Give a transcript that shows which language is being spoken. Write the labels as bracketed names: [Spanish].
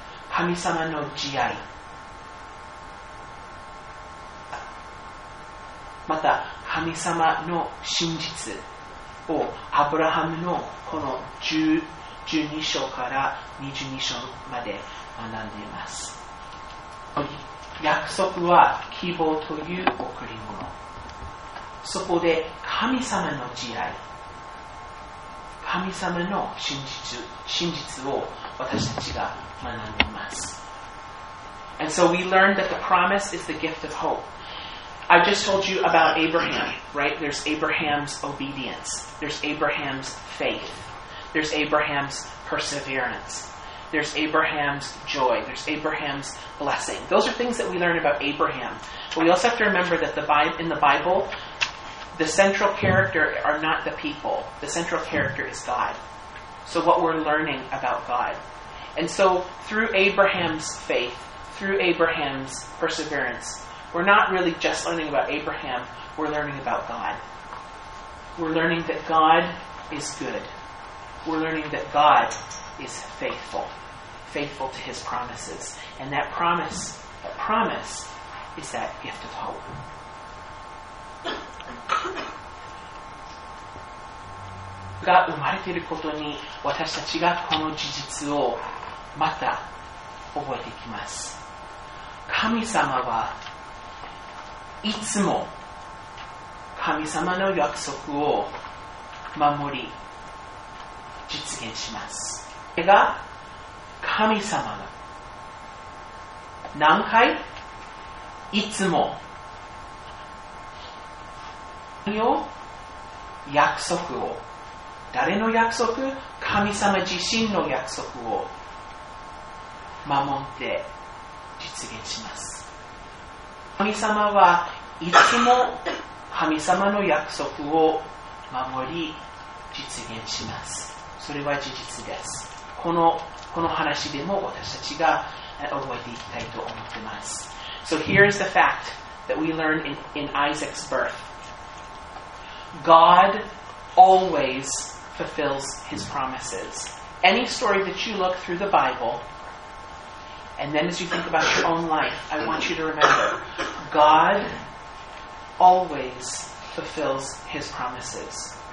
[Japanese] 神様の慈愛、また神様の真実をアブラハムのこの12章から22章まで学んでいます。約束は希望という贈り物、そこで神様の慈愛、神様の真実を私たちが学んでいます。 [English] And so we learn that the promise is the gift of hopeI just told you about Abraham, right? There's Abraham's obedience. There's Abraham's faith. There's Abraham's perseverance. There's Abraham's joy. There's Abraham's blessing. Those are things that we learn about Abraham. But we also have to remember that in the Bible, the central character are not the people. The central character is God. So what we're learning about God. And so through Abraham's faith, through Abraham's perseverance,We're not really just learning about Abraham, we're learning about God. We're learning that God is good. We're learning that God is faithful to his promises. And that promise is that gift of hope. [Japanese] が生まれていることに、私たちがこの事実をまた覚えていきます。神様はいつも神様の約束を守り実現します。それが神様が何回いつも何を約束を誰の約束、神様自身の約束を守って実現します。神様はいつも神様の約束を守り実現します。それは事実です。この話でも私たちが覚えていきたいと思っています。 [English] So here's the fact that we learn in Isaac's birth. God always fulfills his promises. Any story that you look through the Bible, and then as you think about your own life, I want you to remember Godalways fulfills his promises.